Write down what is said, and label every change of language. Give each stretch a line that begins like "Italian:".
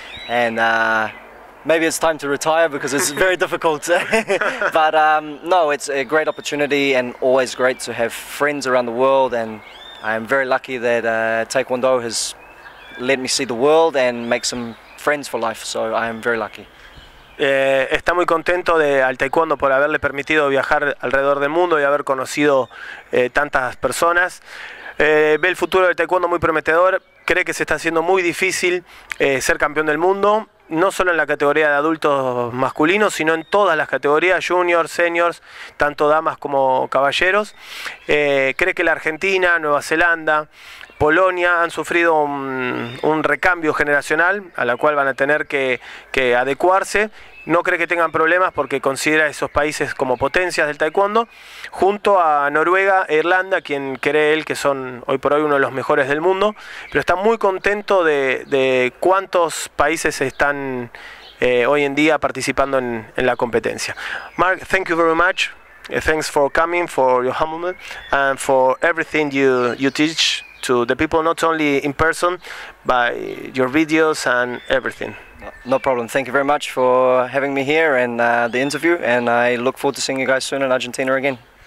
English: And maybe it's time to retire because it's very difficult. But no, it's a great opportunity and always great to have friends around the world. And I am very lucky that Taekwondo has let me see the world and make some friends for life, so I am very lucky.
Spanish: Está muy contento al Taekwondo por haberle permitido viajar alrededor del mundo y haber conocido tantas personas. Ve el futuro del Taekwondo muy prometedor, cree que se está haciendo muy difícil ser campeón del mundo, no solo en la categoría de adultos masculinos, sino en todas las categorías, juniors, seniors, tanto damas como caballeros. Cree que la Argentina, Nueva Zelanda, Polonia han sufrido un recambio generacional a la cual van a tener que adecuarse. No cree que tengan problemas porque considera esos países como potencias del taekwondo, junto a Noruega e Irlanda, quien cree él que son hoy por hoy uno de los mejores del mundo. Pero está muy contento de cuántos países están hoy en día participando en la competencia.
English: Mark, thank you very much. Thanks for coming, for your humble, and for everything you teach to the people, not only in person, by your videos and everything. No problem. Thank you very much for having me here and the interview, and I look forward to seeing you guys soon in Argentina again.